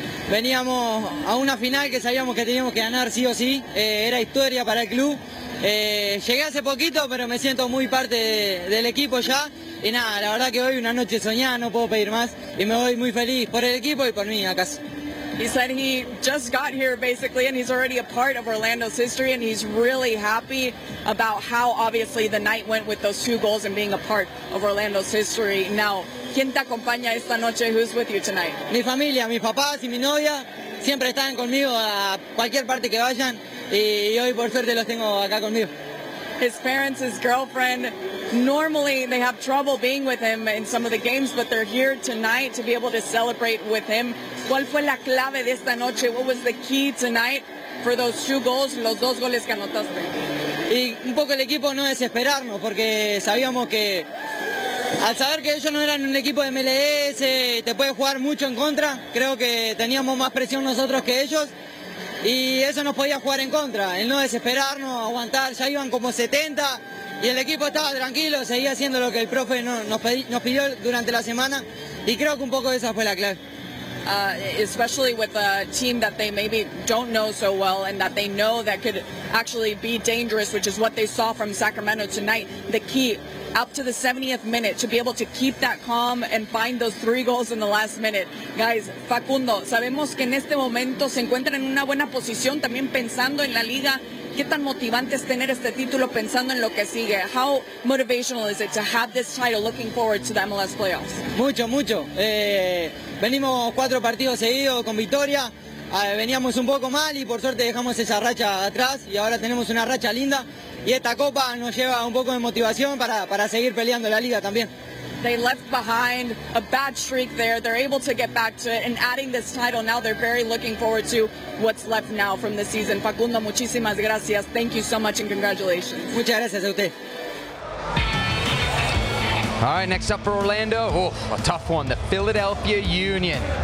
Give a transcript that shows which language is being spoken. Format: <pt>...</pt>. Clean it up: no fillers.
<es>veníamos a una final que sabíamos que teníamos que ganar sí o sí, era historia para el club. Llegué hace poquito, pero me siento muy parte del equipo ya. Y nada, la verdad que hoy una noche soñada, no puedo pedir más. Y me voy muy feliz por el equipo y por mí, acaso.</es> <en>He said he just got here, basically, and he's already a part of Orlando's history, and he's really happy about how, obviously, the night went with those two goals and being a part of Orlando's history. Now,</en> <es>¿quién te acompaña esta noche?</es> <en>Who's with you tonight?</en> <es>Mi familia, mis papás y mi novia siempre están conmigo a cualquier parte que vayan, y hoy, por suerte, los tengo acá conmigo.</es> <en>His parents, his girlfriend, normally they have trouble being with him in some of the games, but they're here tonight to be able to celebrate with him.</en> <es>¿Cuál fue la clave de esta noche?</es> <en>What was the key tonight for those two goals,</en> <es>los dos goles que anotaste? Y un poco el equipo no desesperarnos, porque sabíamos que al saber que ellos no eran un equipo de MLS, te puede jugar mucho en contra, creo que teníamos más presión nosotros que ellos. Y eso nos podía jugar en contra, el no desesperarnos, aguantar, ya iban como 70 y el equipo estaba tranquilo, seguía haciendo lo que el profe nos pidió durante la semana y creo que un poco esa fue la clave.</es> <en>Especially with a team that they maybe don't know so well and that they know that could actually be dangerous, which is what they saw from Sacramento tonight, the key up to the 70th minute to be able to keep that calm and find those three goals in the last minute.</en> <es>Guys, Facundo, sabemos que en este momento se encuentran en una buena posición también pensando en la liga. ¿Qué tan motivante es tener este título pensando en lo que sigue?</es> <en>How motivational is it to have this title looking forward to the MLS playoffs?</en> <es>Mucho, mucho. Venimos cuatro partidos seguidos con victoria. Veníamos un poco mal y por suerte dejamos esa racha atrás y ahora tenemos una racha linda. Y esta copa nos lleva un poco de motivación para seguir peleando la liga también.</es> <en>They left behind a bad streak there. They're able to get back to it. And adding this title, now they're very looking forward to what's left now from the season. Facundo,</en> <es>muchísimas gracias.</es> <en>Thank you so much and congratulations.</en> <es>Muchas gracias a usted.</es> <en>All right, next up for Orlando. Oh, a tough one. The Philadelphia Union.</en>